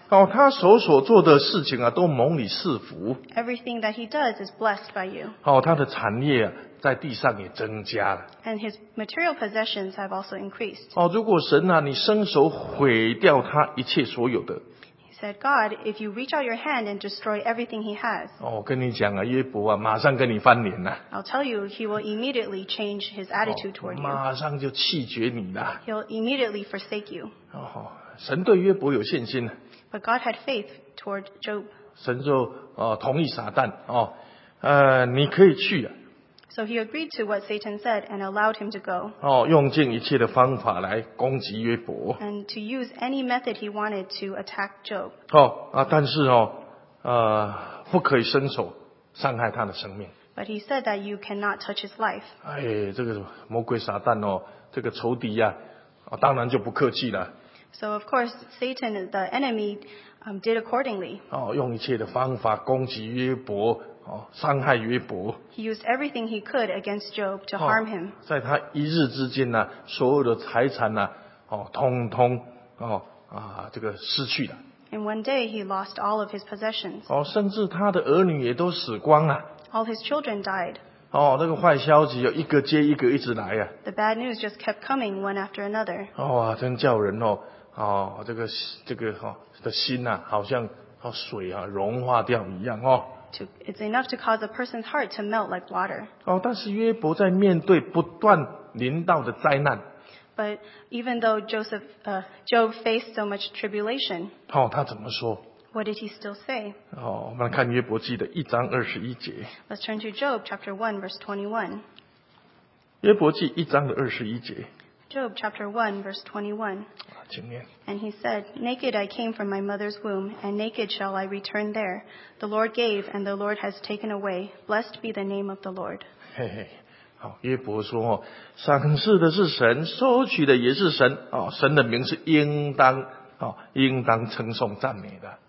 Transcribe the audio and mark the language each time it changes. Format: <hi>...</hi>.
<zh>哦，他手所做的事情啊，都蒙你赐福。</zh> <en>Everything that he does is blessed by you.</en> <zh>哦，他的产业啊，在地上也增加了。</zh> <en>And his material possessions have also increased.</en> <zh>哦，如果神啊，你伸手毁掉他一切所有的。</zh> <en>Said God, if you reach out your hand and destroy everything he has.</en> <zh>哦，跟你讲啊，约伯啊，马上跟你翻脸呐。</zh> <en>I'll tell you, he will immediately change his attitude toward you.</en> <zh>马上就弃绝你了。</zh> <en>He'll immediately forsake you.</en> <zh>哦，神对约伯有信心。</zh> <en>But God had faith toward Job.</en> <zh>神就同意撒旦哦，你可以去啊。</zh> <en>So he agreed to what Satan said and allowed him to go.</en> <zh>哦，用尽一切的方法来攻击约伯。</zh> <en>And to use any method he wanted to attack Job.</en> <zh>哦，啊，但是哦，不可以伸手伤害他的生命。</zh> <en>But he said that you cannot touch his life.</en> <zh>哎，这个魔鬼撒旦哦，这个仇敌啊，哦，当然就不客气了。</zh> <en>So of course, Satan, the enemy, did accordingly.</en> <zh>哦，用一切的方法攻击约伯。哦，伤害约伯。</zh> <en>He used everything he could against Job to harm him.</en> <zh>在他一日之间呢，所有的财产呢，哦，通通哦啊，这个失去了。</zh> <en>In one day, he lost all of his possessions.</en> <zh>哦，甚至他的儿女也都死光了。</zh> <en>All his children died.</en> <zh>哦，那个坏消息就一个接一个一直来呀。</zh> <en>The bad news just kept coming one after another.</en> <zh>哦，真叫人哦，哦，这个哈的心呐，好像哦水啊融化掉一样哦。</zh> <en>It's enough to cause a person's heart to melt like water.</en> <zh>哦，但是约伯在面对不断临到的灾难。</zh> <en>But even though Job faced so much tribulation.</en> <zh>哦，他怎么说</zh> <en>？What did he still say？</en> <zh>哦，我们来看约伯记的一章二十一节。</zh> <en>Let's turn to Job chapter 1 verse 21.</en> <zh>约伯记一章的二十一节。</zh> <en>Job chapter 1 verse 21.</en> <zh>请念。</zh> <en>And he said, Naked I came from my mother's womb, and naked shall I return there. The Lord gave, and the Lord has taken away. Blessed be the name of the Lord.</en> <zh>嘿嘿，好，约伯说，哦，赏赐的是神，收取的也是神，哦，神的名是应当，哦，应当称颂赞美的。</zh>